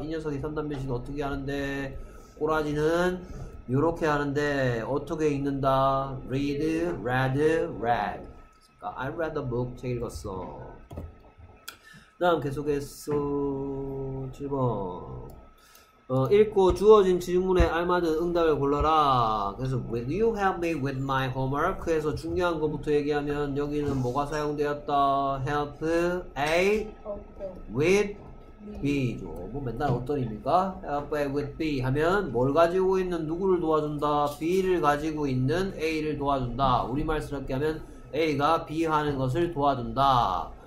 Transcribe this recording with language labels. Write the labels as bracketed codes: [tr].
[ko] 이 녀석이 삼단변신 어떻게 하는데? 꼬라지는 요렇게 하는데, 어떻게 읽는다? [en] read, read, read. I read the book, [ko] 책 읽었어. 다음, 계속해서, 7번. 읽고 주어진 질문에 알맞은 응답을 골라라. [en] 그래서, will you help me with my homework? [ko] 그래서 중요한 것부터 얘기하면, 여기는 뭐가 사용되었다? help A with B죠. 뭐 맨날 어떤 의미입니까? Help A with B 하면 뭘 가지고 있는 누구를 도와준다? B를 가지고 있는 A를 도와준다. 우리말스럽게 하면 A가 B 하는 것을 도와준다.